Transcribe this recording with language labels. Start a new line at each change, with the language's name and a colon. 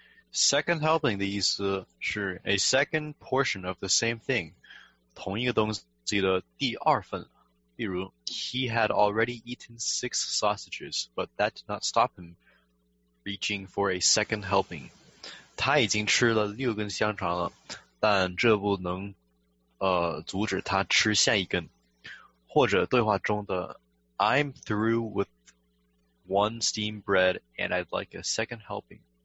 English: Second helping 的意思是 a second portion of the same thing，
Chinese: 同一个东西记得第二份，例如
English: He had already eaten 6 sausages, but that did not stop him reaching for a second helping.
Chinese: 他已经吃了六根香肠了，但这不能阻止他吃下一根。或者对话中的
English: I'm through with one steam bread and I'd like a second helping.